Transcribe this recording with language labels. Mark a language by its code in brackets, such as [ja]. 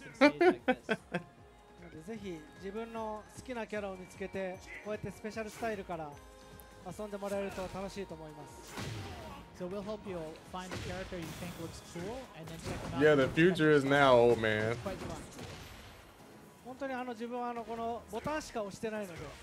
[en] Please, [ja] 自分の好きなキャラを見つけて、こうやってスペシャルスタイルから遊んでもらえると楽しいと思います。 [en] So we'll help you find a character you think looks cool, and then check them out. Yeah, the future is now, old man. [ja] 本当にあの自分はあのこのボタンしか押してないので。